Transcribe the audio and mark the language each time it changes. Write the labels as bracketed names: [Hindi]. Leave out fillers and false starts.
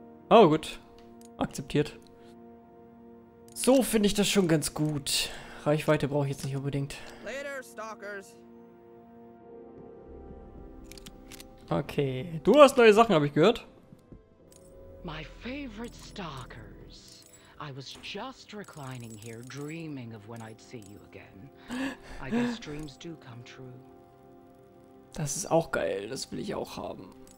[German] Oh, gut. Akzeptiert. So finde ich das schon ganz gut. Reichweite brauche ich jetzt nicht unbedingt. [English] Later, Stalkers. [German] Okay. Du hast neue Sachen, habe ich gehört. [English] My favorite Stalker. I was just reclining here, dreaming of when I'd see you again. I guess dreams do come true. [German] Das ist auch geil, das will ich auch haben.